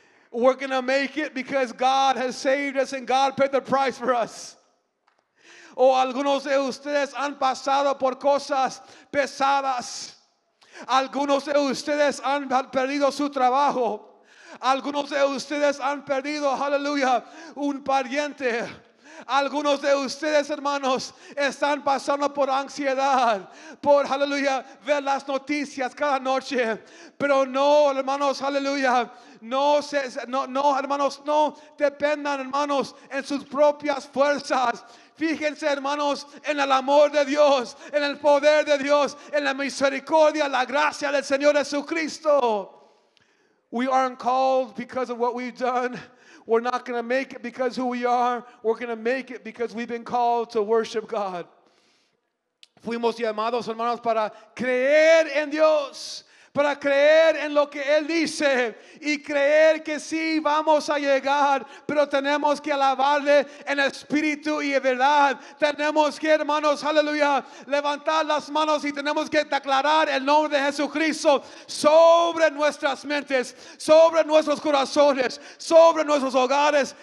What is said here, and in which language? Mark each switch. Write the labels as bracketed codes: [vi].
[en] We're going to make it because God has saved us and God paid the price for us. [es] O algunos de ustedes han pasado por cosas pesadas. Algunos de ustedes han perdido su trabajo. Algunos de ustedes han perdido, hallelujah, un pariente. Algunos de ustedes, hermanos, están pasando por ansiedad, por, hallelujah, ver las noticias cada noche. Pero no, hermanos, hallelujah, no, hermanos, dependan, hermanos, en sus propias fuerzas. Fíjense, hermanos, en el amor de Dios, en el poder de Dios, en la misericordia, la gracia del Señor Jesucristo. [en] We aren't called because of what we've done. We're not going to make it because who we are. We're going to make it because we've been called to worship God. [es] Fuimos llamados, hermanos, para creer en Dios, para creer en lo que Él dice y creer que sí vamos a llegar, pero tenemos que alabarle en espíritu y en verdad. Tenemos que, hermanos, aleluya, levantar las manos y tenemos que declarar el nombre de Jesucristo sobre nuestras mentes, sobre nuestros corazones, sobre nuestros hogares.